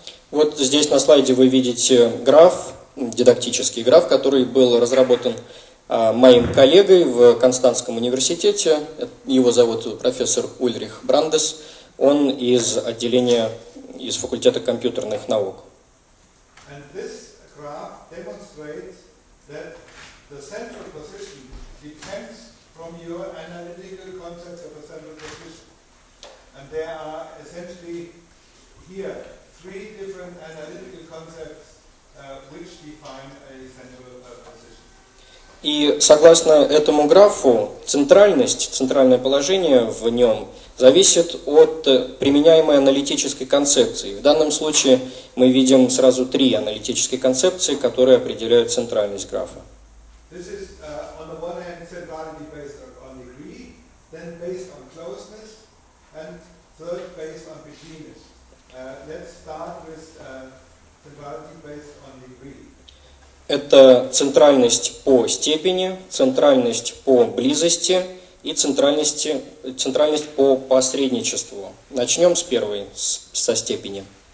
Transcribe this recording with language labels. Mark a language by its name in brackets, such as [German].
[Russian] Вот здесь на слайде вы видите граф, дидактический граф, который был разработан моим коллегой в Констанцском университете. Его зовут профессор Ульрих Брандес. Он из отделения, из факультета компьютерных наук. [English] And this graph demonstrates that the central position depends from your analytical concept of a central position. And there are essentially here three different analytical concepts, which define a central position. [Russian] И согласно этому графу, центральность, центральное положение в нем зависит от применяемой аналитической концепции. В данном случае мы видим сразу три аналитические концепции, которые определяют центральность графа. [English] This is on the one hand centrality based on degree, then based on closeness, and third based on betweenness. Let's start with centrality based on degree. [Russian] Это центральность по степени, центральность по близости и центральность по посредничеству. Начнем с первой, со степени.